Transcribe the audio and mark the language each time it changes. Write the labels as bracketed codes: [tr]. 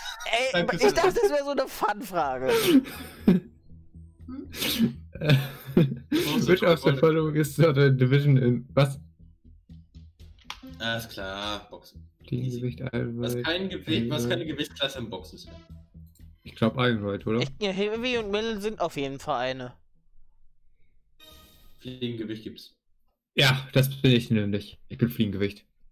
[de] Ey, ich dachte, das wäre so eine Fun-Frage. [en] Which of the following is not a division in. [de] Was? Alles klar, Boxen. Die Gewicht was, kein Gewicht, was keine Gewichtsklasse im Boxen ist. Ich glaube, Ironweight, oder? Ich, ja, Heavy und Middle sind auf jeden Fall eine. Fliegengewicht gibt's. Ja, das bin ich nämlich. Ich bin Fliegengewicht.